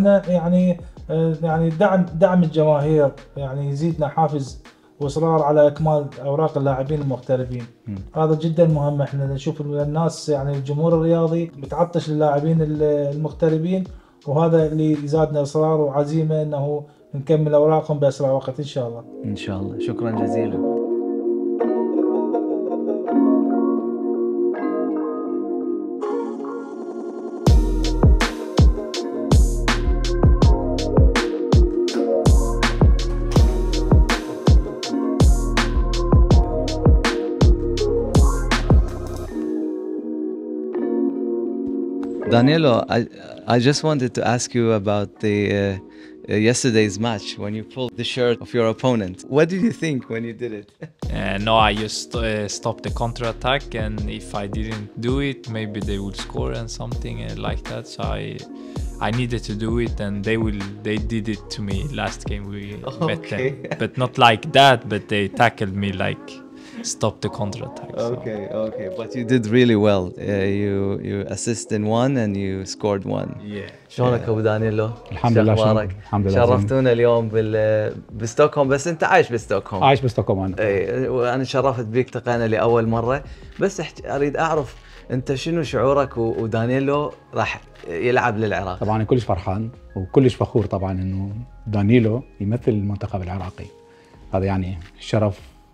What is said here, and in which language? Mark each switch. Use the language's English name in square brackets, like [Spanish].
[Arabic] احنا يعني دعم الجماهير يعني يزيدنا حافز وإصرار على إكمال أوراق اللاعبين المغتربين هذا جدا مهم إحنا نشوف الناس يعني الجمهور الرياضي متعطش للاعبين المغتربين وهذا اللي زادنا إصرار وعزيمة إنه نكمل أوراقهم بأسرع وقت إن شاء الله إن شاء الله شكرا جزيلا Danilo, [English] I just wanted to ask you about the yesterday's match when you pulled the shirt of your opponent. What did you think when you did it? No, I just stopped the counter-attack and if I didn't do it, maybe they would score and something like that. So I needed to do it and they did it to me last game we met them. But not like that, but they tackled me like... Stop the counterattack. Okay, so. Okay, but you did really well. You assist in one and you scored one. Yeah. [Arabic] شلونك أبو دانيلو؟ الحمد لله. شلونك؟ الحمد لله. شرفتونا اليوم بستوكهولم بس أنت عايش بستوكهولم. عايش بستوكهولم أنا. إيه وأنا شرفت بيك تقانا لأول مرة بس أريد أعرف أنت شنو شعورك ودانيلو راح يلعب للعراق؟ طبعاً كلش فرحان وكلش فخور طبعاً إنه دانيلو يمثل المنتخب العراقي هذا يعني شرف.